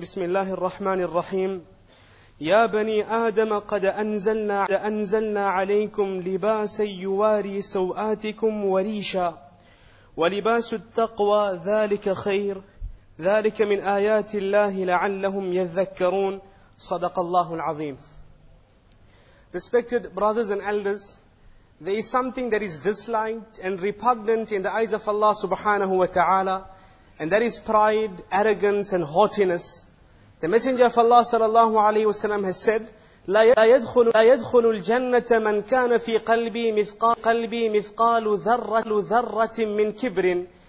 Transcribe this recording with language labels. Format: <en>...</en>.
<ar>بسم الله الرحمن الرحيم. يا بني آدم قد أنزلنا عليكم لباسا يواري سوآتكم وريشا ولباس التقوى ذلك خير ذلك من آيات الله لعلهم يذكرون صدق الله العظيم.</ar> <en>Respected brothers and elders, there is something that is disliked and repugnant in the eyes of Allah subhanahu wa ta'ala, and that is pride, arrogance and haughtiness. The Messenger of Allah sallallahu alayhi wa sallam has said,</en> <ar>لا يدخل الجنة من كان في قلبي مثقال ذرة من كبر.</ar>